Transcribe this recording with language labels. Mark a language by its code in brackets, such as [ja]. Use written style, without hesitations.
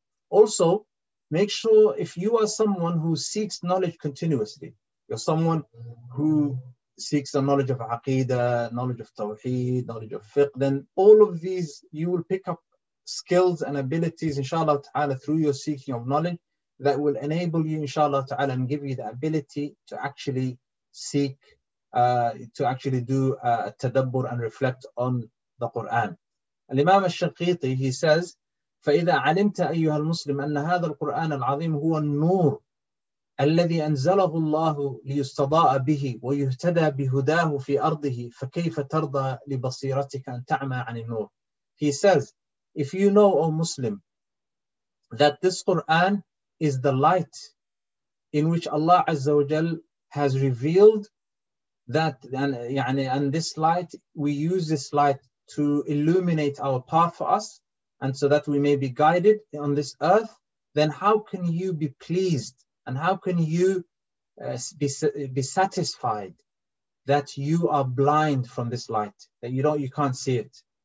[en] Also, make sure if you are someone who seeks knowledge continuously, you're someone who seeks the knowledge of aqeedah, knowledge of tawheed, knowledge of fiqh, then all of these, you will pick up skills and abilities, inshallah ta'ala, through your seeking of knowledge, that will enable you, inshallah ta'ala, and give you the ability to actually seek, to actually do tadabbur and reflect on the Quran. [ar] Al-Imam al-Shaqiti, [en] he says, [ar] فَإِذَا عَلِمْتَ أَيُّهَا الْمُسْلِمَ أَنَّ هَذَا الْقُرْآنَ الْعَظِيمُ هُوَ النُّورُ الَّذِي أَنزَلَهُ اللَّهُ لِيُسْتَضَاءَ بِهِ وَيُهْتَدَى بِهُدَاهُ فِي أَرْضِهِ فَكَيْفَ تَرْضَى لِبَصِيرَتِكَ أَن تَعْمَى عَنِ النُّورِ. [en] He says, if you know, O Muslim, that this Quran is the light in which Allah Azza wa Jal has revealed that, and this light, we use this light to illuminate our path for us, and so that we may be guided on this earth, then how can you be pleased and how can you be satisfied that you are blind from this light, that you can't see it?